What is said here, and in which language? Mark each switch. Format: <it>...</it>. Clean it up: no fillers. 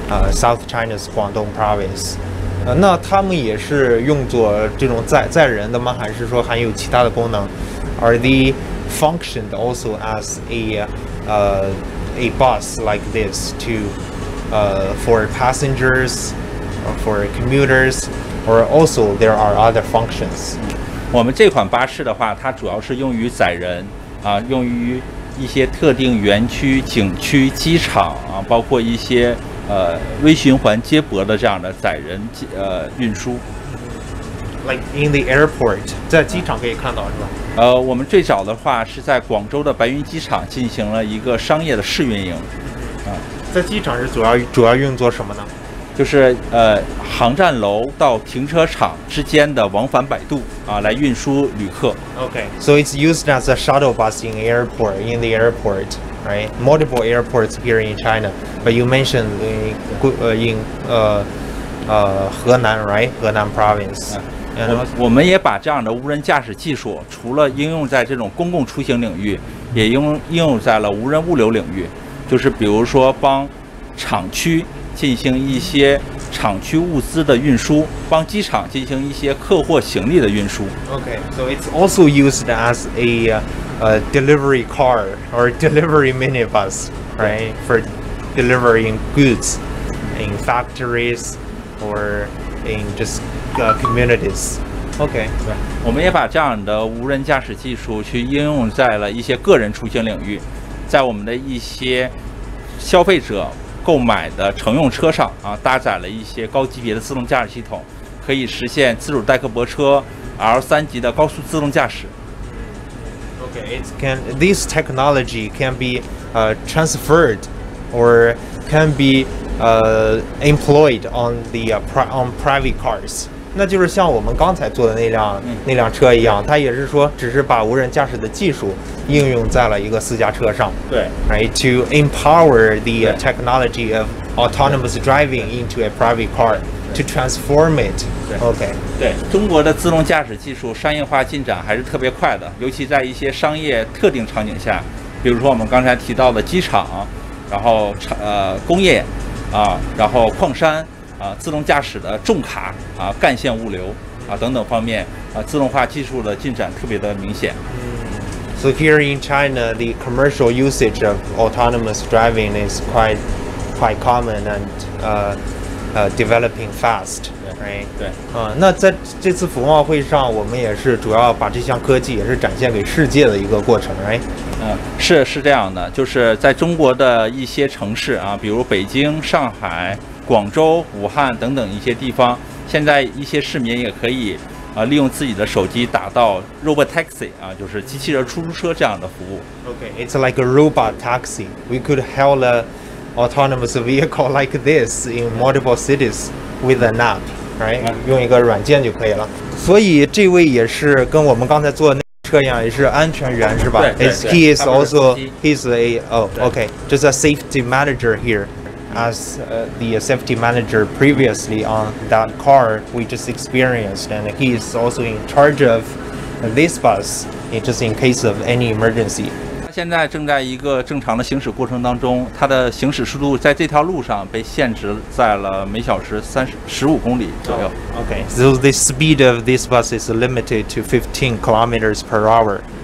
<en>South China's Guangdong Province，</en> <zh>那他们也是用作这种载人的吗？还是说还有其他的功能</zh> <en>？Are they functioned also as a bus like this to for passengers, for commuters, or also there are other functions？</en> <zh>我们这款巴士的话，它主要是用于载人啊，用于一些特定园区、景区、机场啊，包括一些。微循环接驳的这样的载人运输，</zh> <en>like in the airport，</en> <zh>在机场可以看到是吧？我们最早的话是在广州的白云机场进行了一个商业的试运营。在机场是主要运作什么呢？就是航站楼到停车场之间的往返摆渡啊，来运输旅客。</zh> <en>Okay, so it's used as a shuttle bus in the airport. Right, multiple airports here in China, but you mentioned in Henan, right? Henan Province.</en> <zh>我们也把这样的无人驾驶技术，除了应用在这种公共出行领域，也应用在了无人物流领域，就是比如说帮厂区进行一些厂区物资的运输，帮机场进行一些客货行李的运输。</zh> <en>Okay, so it's also used as a delivery car or delivery minibus, right, for delivering goods in factories or in just communities. Okay.</en> <zh>我们也把这样的无人驾驶技术去应用在了一些个人出行领域，在我们的一些消费者购买的乘用车上啊，搭载了一些高级别的自动驾驶系统，可以实现自主代客泊车、L3 级的高速自动驾驶。</zh> <en>It can. This technology can be transferred, or can be employed on the on private cars.</en> <zh>那就是像我们刚才坐的那辆车一样，它也是说，只是把无人驾驶的技术应用在了一个私家车上。对</zh> <en>，right to empower the technology of autonomous driving into a private car to transform it. Okay.</en> <zh>对中国的自动驾驶技术商业化进展还是特别快的，尤其在一些商业特定场景下，比如说我们刚才提到的机场，然后工业啊，然后矿山啊，自动驾驶的重卡啊，干线物流啊等等方面啊，自动化技术的进展特别的明显。</zh> <en>So here in China, the commercial usage of autonomous driving is quite common and developing fast. Right. 对，</en> <zh>那在这次服贸会上，我们也是主要把这项科技也是展现给世界的一个过程 ，right？是这样的，就是在中国的一些城市啊，比如北京、上海、广州、武汉等等一些地方，现在一些市民也可以啊，利用自己的手机打到 robot taxi 啊，就是机器人出租车这样的服务。</zh> <en>Okay, it's like a robot taxi. We could hail a autonomous vehicle like this in multiple cities with an app, right?</en> <zh>用一个软件就可以了。所以这位也是跟我们刚才坐的那车一样，也是安全员是吧？对对对。</zh> <en>He is also he's a oh okay, just a safety manager here. As the safety manager previously on that car we just experienced, and he is also in charge of this bus, just in case of any emergency.</en> <zh>他现在正在一个正常的行驶过程当中，他的行驶速度在这条路上被限制在了每小时15公里左右。</zh> <en>Okay, so the speed of this bus is limited to 15 kilometers per hour.</en>